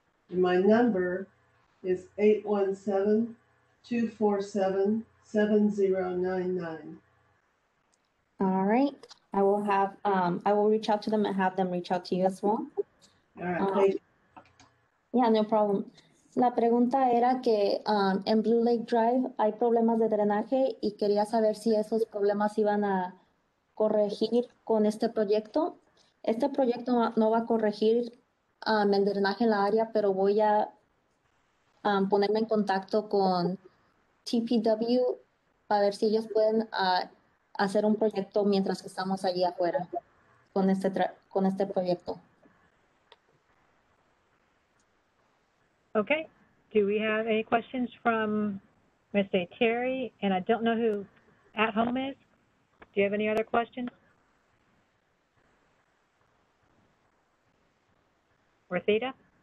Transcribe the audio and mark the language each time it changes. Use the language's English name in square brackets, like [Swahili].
[English] And my number is 817-247-7099. All right, I will have, I will reach out to them and have them reach out to you as well. All right, thank you. Yeah, no problem. [Spanish] La pregunta era que en Blue Lake Drive hay problemas de drenaje y quería saber si esos problemas iban a corregir con este proyecto. Este proyecto no va a corregir el drenaje en la área, pero voy a ponerme en contacto con TPW para ver si ellos pueden hacer un proyecto mientras que estamos allí afuera con este proyecto. [English] Okay. Do we have any questions from, I'm going to say Terry, and I don't know who at home is. Do you have any other questions? Or Theta?